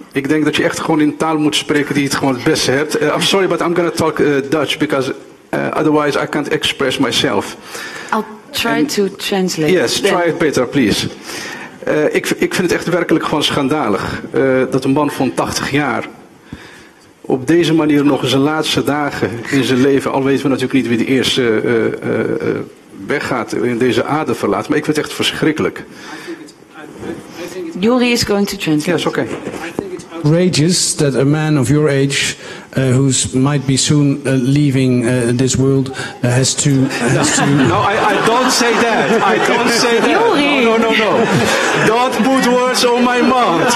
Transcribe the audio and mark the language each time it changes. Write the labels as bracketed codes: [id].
[nl] Ik denk dat je echt gewoon in taal moet spreken die het gewoon het beste hebt. [en] I'm sorry, but I'm going to talk Dutch, because otherwise I can't express myself. I'll try to translate. Yes, try it better, please. [nl] Ik vind het echt werkelijk gewoon schandalig dat een man van 80 jaar op deze manier nog zijn laatste dagen in zijn leven, al weten we natuurlijk niet wie de eerste weggaat in deze aarde verlaat, maar ik vind het echt verschrikkelijk. [en] Yuri is going to translate. Yes, okay. Outrageous that a man of your age, who might be soon leaving this world, has to. No, I don't say that. I don't say that. Yuri. No. Don't put words on my mouth.